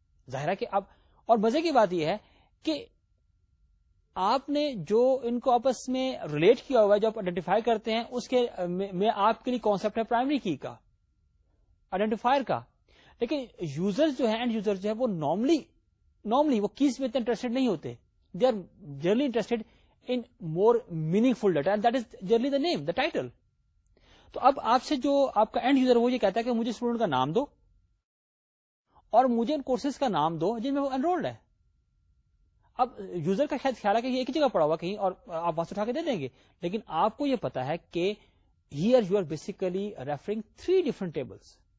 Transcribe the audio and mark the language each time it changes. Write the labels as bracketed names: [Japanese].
[Urdu] ظاہر ہے کہ اب اور مزے کی بات یہ ہے کہ آپ نے جو ان کو آپس میں ریلیٹ کیا ہوا ہے، جو آپ آئیڈینٹیفائی کرتے ہیں اس کے میں آپ کے لیے کانسیپٹ ہے پرائمری کی کا، آئیڈینٹیفائر کا، لیکن یوزرز جو ہیں اینڈ یوزر جو ہے وہ نارملی وہ کیز میں اتنے انٹرسٹڈ نہیں ہوتے. [English] They are generally interested in more meaningful data and that is generally the name the title. [Urdu] تو اب آپ سے جو آپ کا اینڈ یوزر وہ یہ کہتا ہے کہ مجھے اسٹوڈنٹ کا نام دو اور مجھے ان کورسز کا نام دو جن میں وہ انرولڈ ہے. اب یوزر کا شاید خیال ہے کہ یہ ایک ہی جگہ پڑا ہوا کہیں اور آپ وہاں سے اٹھا کے دے دیں گے، لیکن آپ کو یہ پتا ہے کہ [English] Here you are basically referring three different tables.